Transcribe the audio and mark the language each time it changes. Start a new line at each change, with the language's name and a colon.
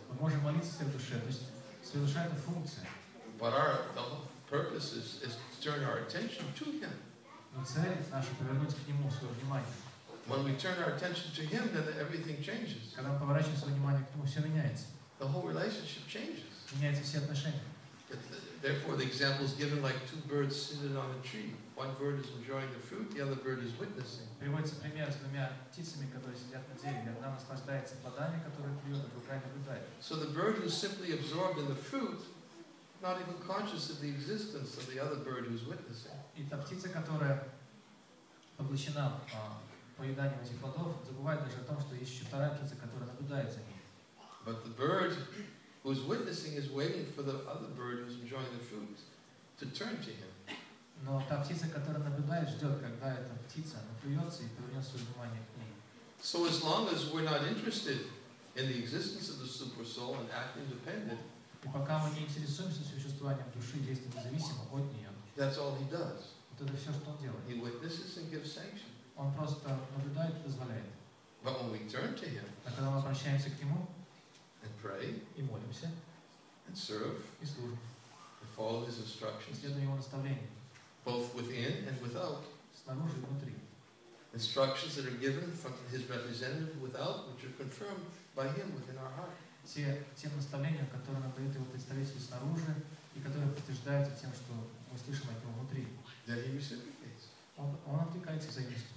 Russian: Мы можем молиться Святой Душе, то есть Святой Душа — это функция.
English: But our purpose is to turn our attention to him.
Russian: Но цель наша — повернуть к нему свое внимание.
English: When we turn our attention to him, then everything changes.
Russian: Когда мы поворачиваем свое внимание к нему, все меняется.
English: The whole relationship changes.
Russian: Меняются все отношения.
English: Therefore, the example is given like two birds seated on a tree. One bird is enjoying the fruit, the other bird is witnessing.
Russian: Приводится пример с двумя птицами, которые сидят на дереве. Одна наслаждается плодами, которые клюет, а другая наблюдает.
English: So the bird is simply absorbed in the fruit, not even conscious of the existence of the other bird who is witnessing.
Russian: И та птица, которая поглощена поеданием этих плодов, забывает даже о том, что есть еще вторая птица, которая наблюдает за ней.
English: But the bird who is witnessing is waiting for the other bird who is enjoying the fruit to turn to him.
Russian: Но та птица, которая наблюдает, ждет, когда эта птица наплюется и повернет свое внимание к ней.
English: So as long as we're not interested in the existence of the Supersoul and act independent,
Russian: и пока мы не интересуемся существованием души, действуем независимо от нее,
English: that's all he does.
Russian: Вот это все, что он делает.
English: He witnesses and gives sanction.
Russian: Он просто наблюдает и позволяет.
English: But when we turn to him,
Russian: а когда мы обращаемся к нему,
English: and pray,
Russian: и молимся,
English: and serve,
Russian: и служим,
English: and follow his instructions,
Russian: следуем его наставлениям,
English: both within and without.
Russian: Снаружи и внутри.
English: Instructions that are given from his representative without, which are confirmed by him within our heart.
Russian: Те наставления, которые нам дают его представитель снаружи, и которые подтверждаются тем, что мы слышим от него внутри.
English: Then he reciprocates.
Russian: Он откликается взаимностью.